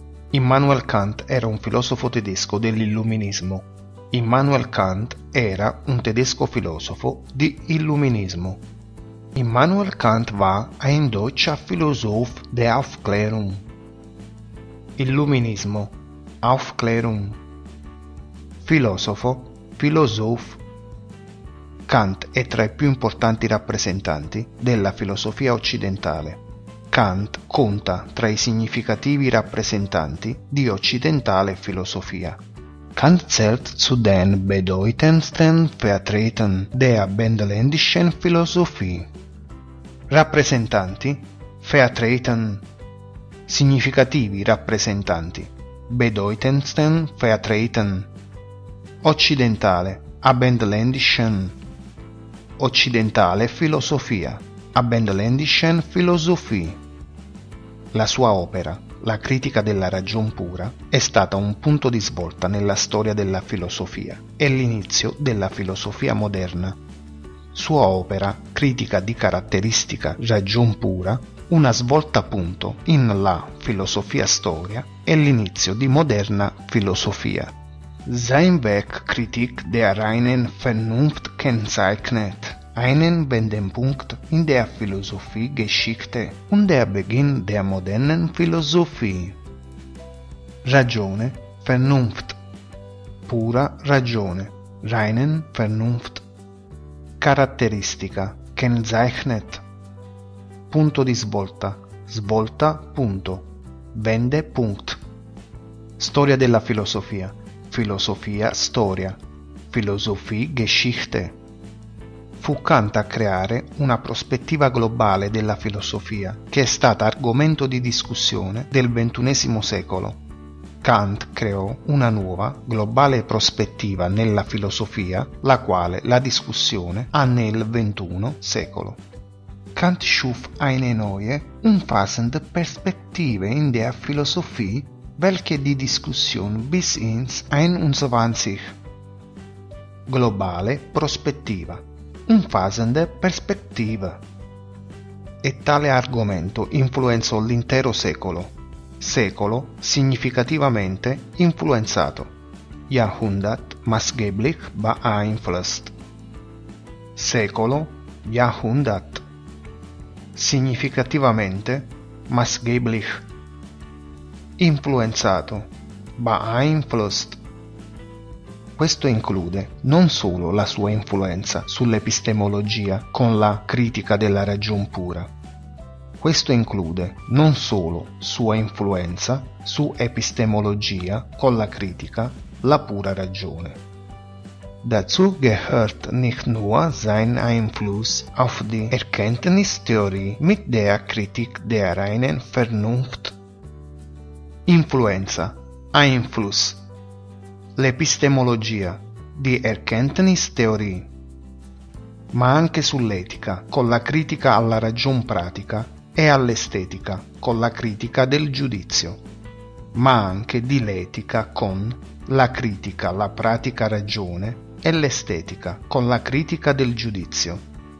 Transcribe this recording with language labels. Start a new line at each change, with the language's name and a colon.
Italian: Immanuel Kant era un filosofo tedesco dell'illuminismo. Immanuel Kant era un tedesco filosofo di illuminismo.
German: Immanuel Kant war ein deutscher Philosoph der Aufklärung.
Italian: Illuminismo, Aufklärung. Filosofo, Philosoph. Kant è tra i più importanti rappresentanti della filosofia occidentale. Kant conta tra i significativi rappresentanti di occidentale filosofia.
German: Kant zählt zu den bedeutendsten Vertretern der Abendländischen Philosophie.
Italian: Rappresentanti, Vertretern. Significativi rappresentanti,
German: bedeutendsten Vertretern.
Italian: Occidentale, Abendländischen. Occidentale filosofia,
German: Abendländischen Philosophie.
Italian: La sua opera, La critica della ragion pura, è stata un punto di svolta nella storia della filosofia e l'inizio della filosofia moderna. Sua opera, Critica di caratteristica ragion pura, una svolta punto in la filosofia storia e l'inizio di moderna filosofia.
German: Sein Werk Kritik der reinen Vernunft kennzeichnet einen Wendepunkt in der Philosophiegeschichte und der Beginn der modernen Philosophie.
Italian: Ragione, Vernunft. Pura ragione,
German: reinen Vernunft.
Italian: Caratteristica, kennzeichnet. Punto di svolta, svolta, punto. Wendepunkt. Storia della filosofia, filosofia, storia.
German: Philosophiegeschichte.
Italian: Fu Kant a creare una prospettiva globale della filosofia che è stata argomento di discussione del XXI secolo. Kant creò una nuova, globale prospettiva nella filosofia, la quale la discussione ha nel XXI secolo.
German: Kant schuf eine neue, umfassende Perspektive in der Philosophie, welche die Diskussion bis ins 21.
Italian: Globale prospettiva.
German: Umfassende Perspektive.
Italian: E tale argomento influenzò l'intero secolo. Secolo significativamente influenzato.
German: Jahrhundert maßgeblich beeinflusst.
Italian: Secolo, Jahrhundert. Significativamente, maßgeblich. Influenzato, beeinflusst. Questo include non solo la sua influenza sull'epistemologia con la critica della ragion pura. Questo include non solo sua influenza su epistemologia con la critica la pura ragione.
German: Dazu gehört nicht nur sein Einfluss auf die Erkenntnistheorie mit der Kritik der reinen Vernunft.
Italian: Influenza, Einfluss. L'epistemologia,
German: die Erkenntnistheorie,
Italian: ma anche sull'etica, con la critica alla ragion pratica, e all'estetica, con la critica del giudizio, ma anche di l'etica con la critica, la pratica ragione, e l'estetica, con la critica del giudizio.